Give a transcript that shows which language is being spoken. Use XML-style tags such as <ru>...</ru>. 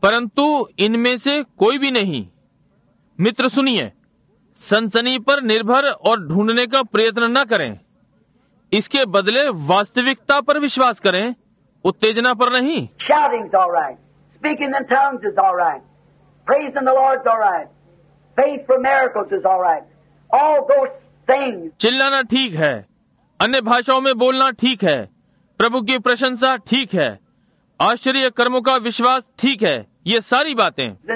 <hi>परंतु इनमें से कोई भी नहीं. मित्र सुनिए, सनसनी पर निर्भर और ढूंढने का प्रयत्न न करें, इसके बदले वास्तविकता पर विश्वास करें, उत्तेजना पर नहीं.</hi> <en>Shouting's all right. Speaking in tongues is all right. Praising the Lord is all right. Faith for miracles is all right. All those things.</en> <hi>चिल्लाना ठीक है, अन्य भाषाओं में बोलना ठीक है, प्रभु की प्रशंसा ठीक है, आश्चर्य कर्मों का विश्वास ठीक है, ये सारी बातें.</hi>